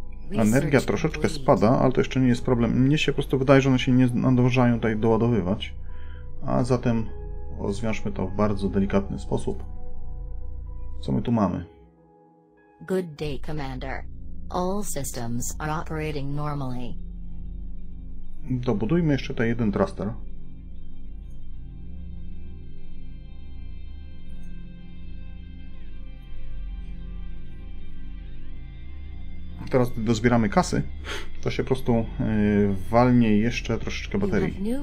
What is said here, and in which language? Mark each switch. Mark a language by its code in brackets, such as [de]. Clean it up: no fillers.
[pl] Energia troszeczkę spada, ale to jeszcze nie jest problem. Mnie się po prostu wydaje, że one się nie nadążają tutaj doładowywać. A zatem rozwiążmy to w bardzo delikatny sposób. Co my tu mamy? [en] Good day, Commander. All systems are operating normally. [pl] Dobudujmy jeszcze tutaj jeden thruster. Teraz dozbieramy kasy, to się po prostu walnie jeszcze troszeczkę baterii.